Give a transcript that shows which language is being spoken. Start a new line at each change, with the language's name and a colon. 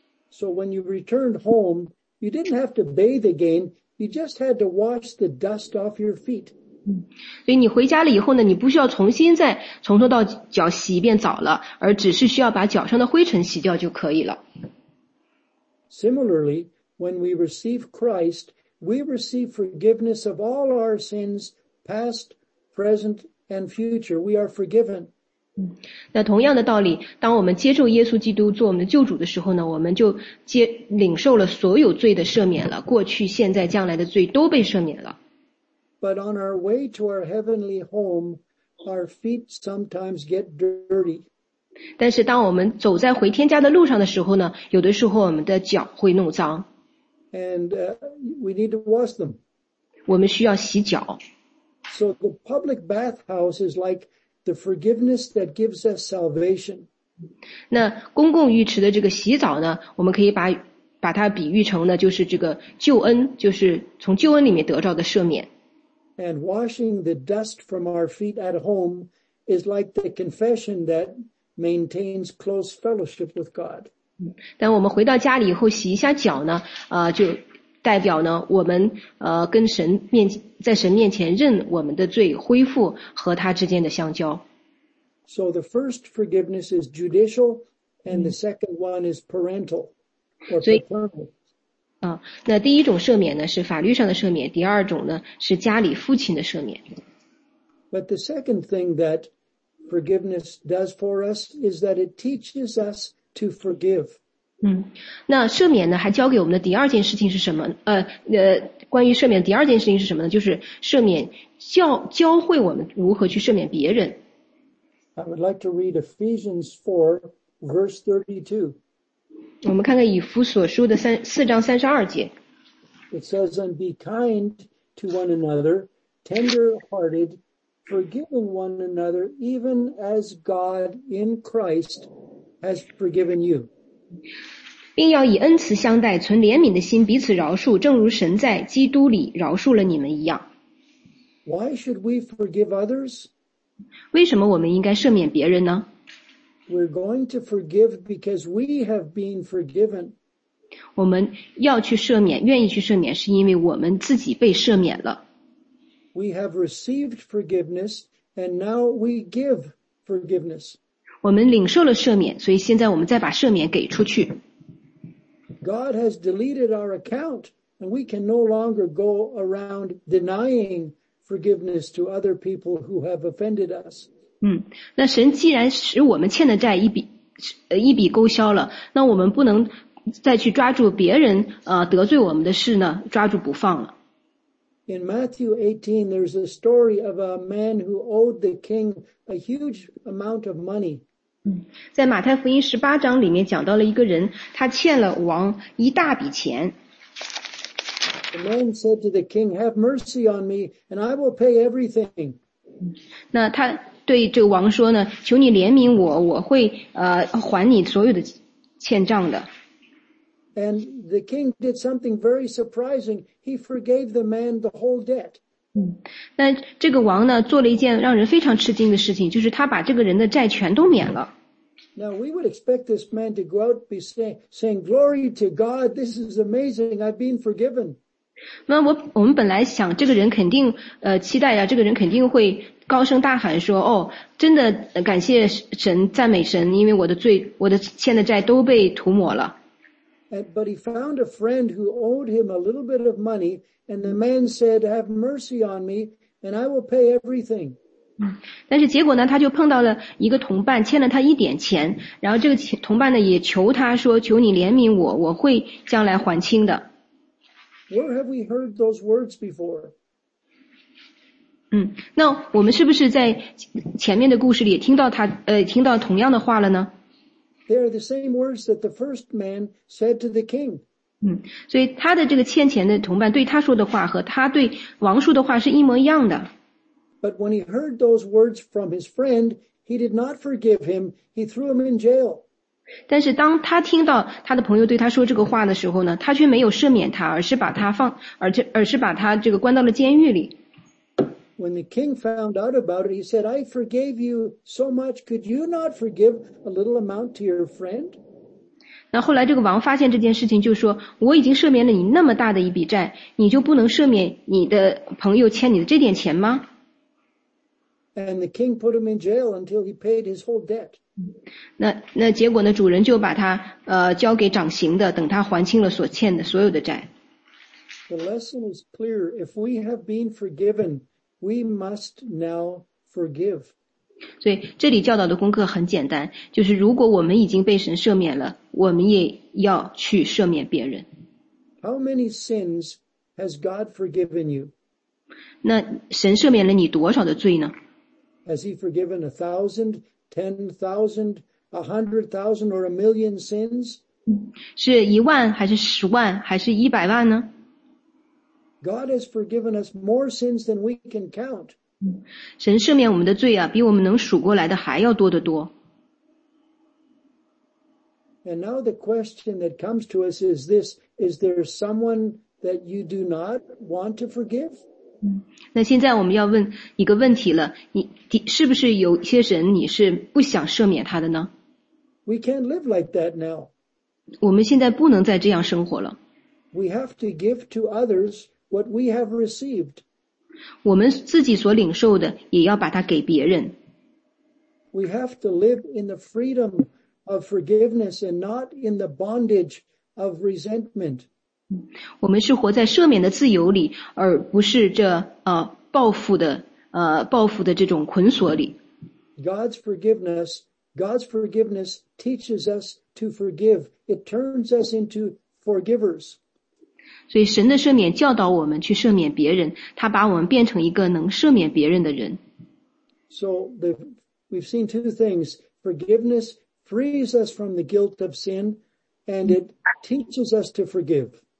English: So when you returned home, you didn't have to bathe again. You just had to wash the dust off your feet.
Chinese: 所以你回家了以后呢，你不需要重新再从头到脚洗一遍澡了，而只是需要把脚上的灰尘洗掉就可以了。
English: Similarly, when we receive Christ, we receive forgiveness of all our sins, past, present, and future. We are forgiven.
Chinese: 那同样的道理，当我们接受耶稣基督做我们的救主的时候呢，我们就接领受了所有罪的赦免了，过去、现在、将来的罪都被赦免了。
English: But on our way to our heavenly home, our feet sometimes get dirty.
Chinese: 但是当我们走在回天家的路上的时候呢，有的时候我们的脚会弄脏。
English: And we need to wash them.
Chinese: 我们需要洗脚。
English: So the public bathhouse is like the forgiveness that gives us salvation.
Chinese: 那公共浴池的这个洗澡呢，我们可以把它比喻成呢，就是这个救恩，就是从救恩里面得到的赦免。
English: And washing the dust from our feet at home is like the confession that maintains close fellowship with God.
Chinese: 但我们回到家里以后洗一下脚呢，就代表呢，我们跟神面在神面前认我们的罪，恢复和他之间的相交。
English: So the first forgiveness is judicial, and the second one is parental.
Chinese: 所以。那第一种赦免呢是法律上的赦免，第二种呢是家里父亲的赦免。
English: But the second thing that forgiveness does for us is that it teaches us to forgive.
Chinese: 那赦免呢还教给我们的第二件事情是什么？关于赦免的第二件事情是什么呢？就是赦免教会我们如何去赦免别人。
English: I would like to read Ephesians 4, verse 32.
Chinese: 我们看看以弗所书的四章三十二节。
English: It says, and be kind to one another, tender hearted, forgiving one another, even as God in Christ has forgiven you.
Chinese: 并要以恩慈相待，存怜悯的心，彼此饶恕，正如神在基督里饶恕了你们一样。
English: Why should we forgive others?
Chinese: 为什么我们应该赦免别人呢？
English: We're going to forgive because we have been forgiven.
Chinese: 我们要去赦免，愿意去赦免，是因为我们自己被赦免了。
English: We have received forgiveness, and now we give forgiveness.
Chinese: 我们领受了赦免，所以现在我们再把赦免给出去。
English: God has deleted our account, and we can no longer go around denying forgiveness to other people who have offended us.
Chinese: 那神既然使我们欠的债一笔勾销了，那我们不能再去抓住别人得罪我们的事呢，抓住不放了。
English: In Matthew 18, there's a story of a man who owed the king a huge amount of money.
Chinese: 在马太福音十八章里面讲到了一个人，他欠了王一大笔钱。
English: The man said to the king, "Have mercy on me, and I will pay everything."
Chinese: 那他对这个王说呢，求你怜悯我，我会还你所有的欠账的。
English: And the king did something very surprising. He forgave the man the whole debt.
Chinese: 那这个王呢，做了一件让人非常吃惊的事情，就是他把这个人的债全都免了。
English: Now we would expect this man to go out be saying glory to God. This is amazing. I've been forgiven.
Chinese: 那我们本来想，这个人肯定期待呀、啊，这个人肯定会。高声大喊说：“哦，真的感谢神，赞美神，因为我的欠的债都被涂抹了。”
English: But he found a friend who owed him a little bit of money, and the man said, "Have mercy on me, and I will pay everything."
Chinese: 但是结果呢，他就碰到了一个同伴，欠了他一点钱，然后这个同伴呢也求他说：“求你怜悯我，我会将来还清的。”
English: Where have we heard those words before?
Chinese: 那我们是不是在前面的故事里听到听到同样的话了呢？
English: They are the same words that the first man said to the king.
Chinese: 所以他的这个欠钱的同伴对他说的话和他对王说的话是一模一样的。
English: But when he heard those words from his friend, he did not forgive him, he threw him in jail.
Chinese: 但是当他听到他的朋友对他说这个话的时候呢，他却没有赦免他，而是把他这个关到了监狱里。
English: When the king found out about it, he said, "I forgave you so much. Could you not forgive a little amount to your friend?"
Chinese: 那后来这个王发现这件事情，就说我已经赦免了你那么大的一笔债，你就不能赦免你的朋友欠你的这点钱吗？
English: And the king put him in jail until he paid his whole debt.
Chinese: 那结果呢，主人就把他交给掌刑的，等他还清了所欠的所有的债。
English: The lesson is clear. If we have been forgiven, we must now forgive.
Chinese: 所以这里教导的功课很简单，就是如果我们已经被神赦免了，我们也要去赦免别人。
English: How many sins has God forgiven you?
Chinese: 那神赦免了你多少的罪呢？
English: Has he forgiven 1,000, 10,000, 100,000 or 1,000,000 sins?
Chinese: 是一万还是十万还是一百万呢？
English: God has forgiven us more sins than we can count.
Chinese: 神赦免我们的罪啊，比我们能数过来的还要多得多。
English: And now the question that comes to us is this, is there someone that you do not want to forgive?
Chinese: 那现在我们要问一个问题了，你是不是有些人你是不想赦免他的呢？
English: We can't live like that now.
Chinese: 我们现在不能再这样生活了。
English: We have to give to others. What we have received.
Chinese: 我们自己所领受的也要把它给别人。
English: We have to live in the freedom of forgiveness and not in the bondage of resentment.
Chinese: 我们是活在赦免的自由里，而不是这报复的这种捆锁里。
English: God's forgiveness teaches us to forgive. It turns us into forgivers.
Chinese: 所以神的赦免教导我们去赦免别人，他把我们变成一个能赦免别人的人。
English: So we've seen two things. Forgiveness frees us from the guilt of sin, and it teaches us to forgive.